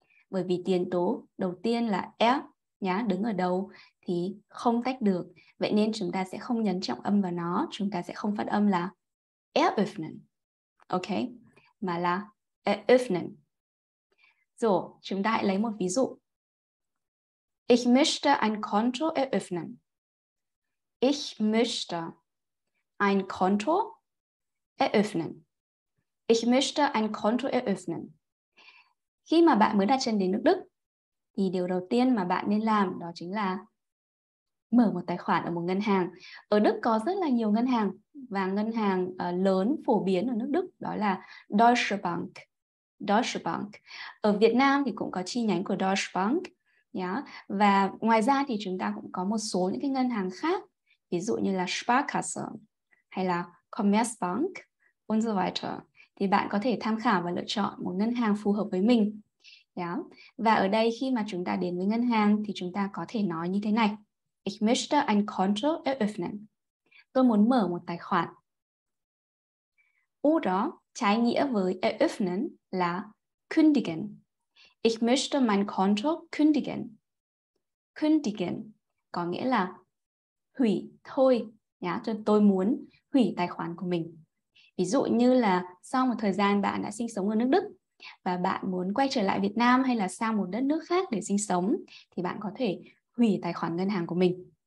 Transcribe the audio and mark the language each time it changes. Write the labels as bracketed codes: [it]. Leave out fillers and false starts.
[vi] Bởi vì tiền tố đầu tiên là er, đứng ở đầu thì không tách được. Vậy nên chúng ta sẽ không nhấn trọng âm vào nó. Chúng ta sẽ không phát âm là eröffnen. Ok? Mà là eröffnen. Rồi, chúng ta hãy lấy một ví dụ. [de] Ich möchte ein Konto eröffnen. Ich möchte ein Konto eröffnen. Ich möchte ein Konto eröffnen. [vi] Khi mà bạn mới đặt chân đến nước Đức, thì điều đầu tiên mà bạn nên làm đó chính là mở một tài khoản ở một ngân hàng. Ở Đức có rất là nhiều ngân hàng và ngân hàng lớn phổ biến ở nước Đức đó là Deutsche Bank. Deutsche Bank. Ở Việt Nam thì cũng có chi nhánh của Deutsche Bank. Và ngoài ra thì chúng ta cũng có một số những cái ngân hàng khác, ví dụ như là Sparkasse hay là Commerzbank [de] und so weiter. [vi] Thì bạn có thể tham khảo và lựa chọn một ngân hàng phù hợp với mình. Và ở đây khi mà chúng ta đến với ngân hàng thì chúng ta có thể nói như thế này. [de] Ich möchte ein Konto eröffnen. [vi] Tôi muốn mở một tài khoản. Oder trái nghĩa với eröffnen là kündigen. [de] Ich möchte mein Konto kündigen. [vi] Kündigen có nghĩa là hủy, thôi. Tôi muốn hủy tài khoản của mình. Ví dụ như là sau một thời gian bạn đã sinh sống ở nước Đức và bạn muốn quay trở lại Việt Nam hay là sang một đất nước khác để sinh sống, thì bạn có thể hủy tài khoản ngân hàng của mình.